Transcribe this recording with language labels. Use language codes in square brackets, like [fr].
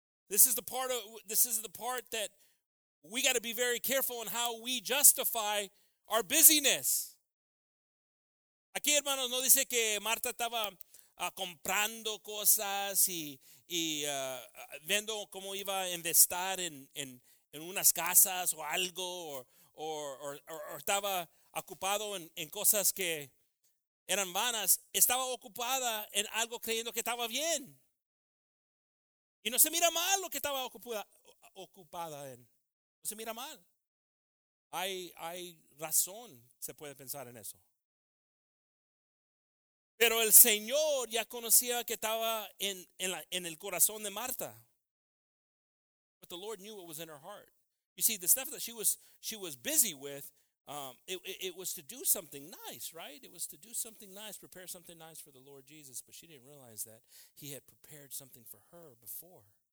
[en] This is the part that we got to be very careful in how we justify our busyness. [es] Aquí, hermanos, no dice que Martha estaba comprando cosas y viendo cómo iba a investir en unas casas o algo o estaba ocupado en cosas que eran vanas. Estaba ocupada en algo creyendo que estaba bien. Y no se mira mal lo que estaba ocupada en. No se mira mal. Hay razón, se puede pensar en eso. Pero el Señor ya conocía que estaba en el corazón de Marta. [en] But the Lord knew what was in her heart. You see, the stuff that she was busy with, it was to do something nice, right? It was to do something nice, prepare something nice for the Lord Jesus. But she didn't realize that he had prepared something for her before.